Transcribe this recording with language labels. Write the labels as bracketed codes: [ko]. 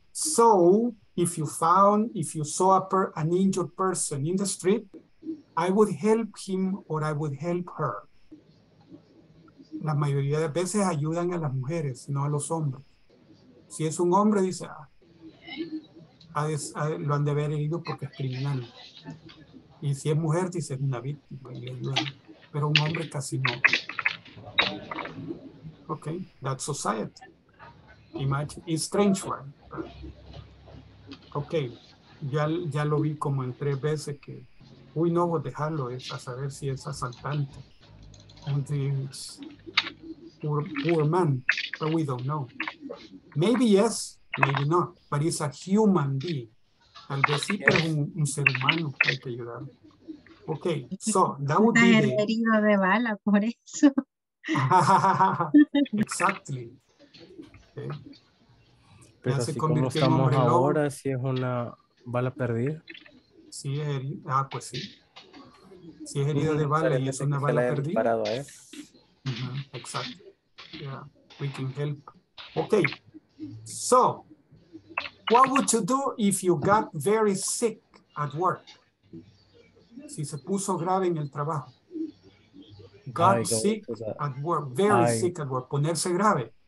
[en] So, if you saw an injured person in the street, I would help him or I would help her. [es] La mayoría de veces ayudan a las mujeres, no a los hombres. Si es un hombre, dice, ah, lo han de haber herido porque es criminal. Y si es mujer, dice es una víctima. Pero un hombre casi no. [en] Ok, that's society. Imagine, it's strange one. [es] Ok, ya lo vi como en tres veces que, uy, no, dejarlo, es a saber si es asaltante. [en] And it's poor man, but we don't know. Maybe yes, maybe not, but it's a human being. [es] Tal vez sí, pero un ser humano hay que ayudar. [en] Ok, so that would be [es] el herido de bala, por eso. [en] Exactly. Okay. [es] Pero así como estamos ahora, si es una bala perdida. Si es herida, ah, pues sí. Si es herida de bala y es una bala perdida. Exacto. [en] Yeah, we can help. Okay. So, what would you do if you got very sick at work? [es] Si se puso grave en el trabajo. [en] Got sick at work. [es] Ponerse grave.